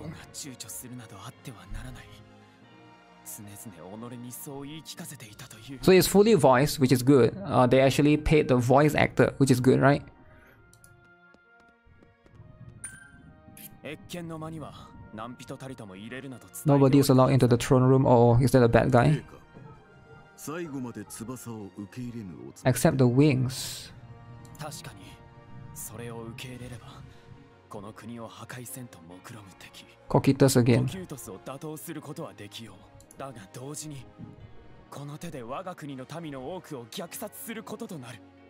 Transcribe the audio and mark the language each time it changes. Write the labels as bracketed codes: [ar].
[ja] 王が躊躇するなどあってはならない。常々己にそう言い聞かせていたという。 [en] So it's fully voiced, which is good. They actually paid the voice actor, which is good, right? [ja] 越権の間には何人たりとも入れるなと伝えておいて。 [en] Nobody is allowed into the throne room, or is that a bad guy? [ja] 最後まで翼を受け入れぬおつ。 [en] Accept the wings。 [ja] 確かに、それを受け入れれば、この国を破壊せんと目論む敵。 [en] Cocytus again。 [ja] コキュートスを打倒することはできよう。だが同時に、この手で我が国の民の多くを虐殺することとなる。